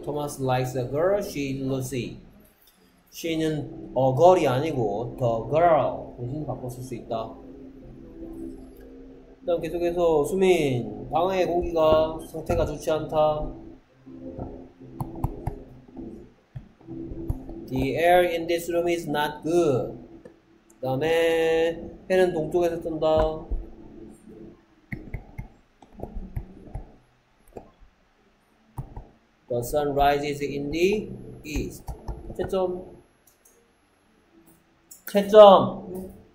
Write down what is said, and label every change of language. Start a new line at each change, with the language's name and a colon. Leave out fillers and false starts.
English: Thomas likes a girl. She is Lucy. She는 a girl이 아니고 the girl.
Korean: 대신 바꿔 쓸수 있다. 그다음 계속해서 수민 방에 공기가 상태가 좋지 않다.
English: The air in this room is not good.
Korean: 그다음에 해는 동쪽에서 뜬다.
English: The sun rises in the east.
Korean: 채점. 채점.